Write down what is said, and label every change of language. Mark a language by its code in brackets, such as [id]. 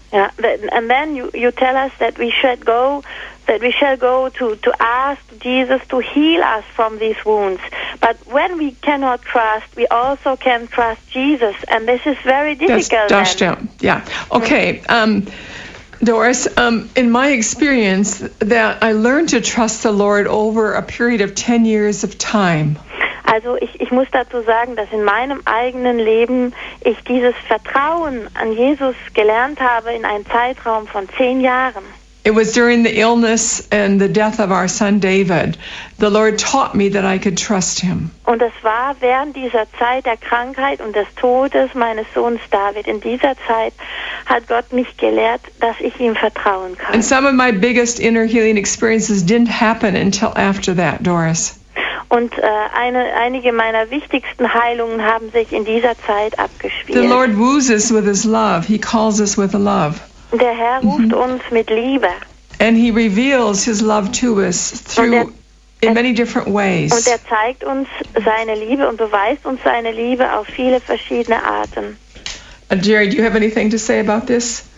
[en] Yeah, and then you tell us that we should go. That we shall go to ask Jesus to heal us from these wounds. But when we cannot trust, we also can trust Jesus. And this is very difficult. [de] Das stimmt. Yeah. Okay. [en] Doris, in my experience, that I learned to trust the Lord over a period of 10 years of time. [de] Also ich muss dazu sagen, dass in meinem eigenen Leben ich dieses Vertrauen an Jesus gelernt habe in einem Zeitraum von 10 Jahren. [en] It was during the illness and the death of our son David. The Lord taught me that I could trust him. [de] Und es war während dieser Zeit der Krankheit und des Todes meines Sohnes David. In dieser Zeit hat Gott mich gelehrt, dass ich ihm vertrauen kann. [en] And some of my biggest inner healing experiences didn't happen until after that, Doris. [de] Und einige meiner wichtigsten Heilungen haben sich in dieser Zeit abgespielt. [en] The Lord woos us with his love. He calls us with a love. [de] Der Herr ruft uns mit Liebe. [en] And he reveals his love to us through in many different ways. [de] Und er zeigt uns seine Liebe und beweist uns seine Liebe auf viele verschiedene Arten. [en] Jerry, do you have anything to say about this?